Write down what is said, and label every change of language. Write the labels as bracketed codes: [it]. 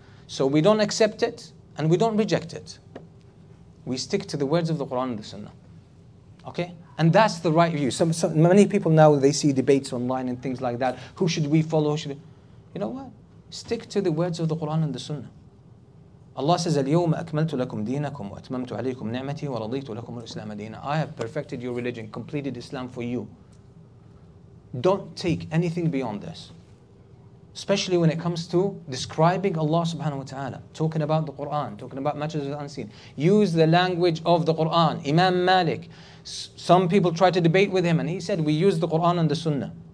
[en] So we don't accept it, and we don't reject it. We stick to the words of the Quran and the Sunnah. Okay? And that's the right view. Some many people now, they see debates online and things like that. Who should we follow? You know what? Stick to the words of the Quran and the Sunnah. Allah says, [ar] الْيَوْمَ أَكْمَلْتُ لَكُمْ دِينَكُمْ وَأَتْمَمْتُ عَلَيْكُمْ نِعْمَتِي وَرَضِيتُ لَكُمُ الْإِسْلَامَ دِينًا. [en] I have perfected your religion, completed Islam for you. Don't take anything beyond this. Especially when it comes to describing Allah subhanahu wa ta'ala, talking about the Quran, talking about matters of the unseen. Use the language of the Quran. Imam Malik, some people try to debate with him and he said, we use the Quran and the Sunnah.